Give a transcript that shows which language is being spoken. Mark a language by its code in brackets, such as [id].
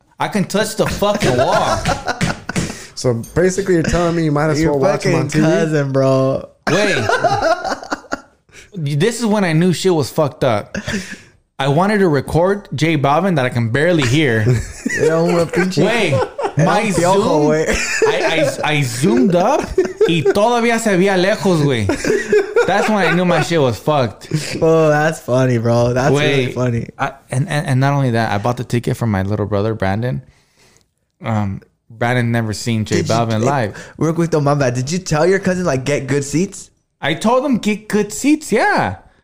[en] I can touch the fucking wall. So basically you're telling me you might as well watch him on TV? Your cousin, bro. Wait. This is when I knew shit was fucked up. I wanted to record J Balvin that I can barely hear. Wait. My Zoom, I zoomed up [es] y todavía se veía lejos, güey. [en] That's when I knew my shit was fucked. Oh, that's funny, bro. That's really funny. And not only that, I bought the ticket from my little brother, Brandon. Brandon never seen J Balvin live. Real quick though, my bad. Did you tell your cousin, like, get good seats? I told him, get good seats, yeah.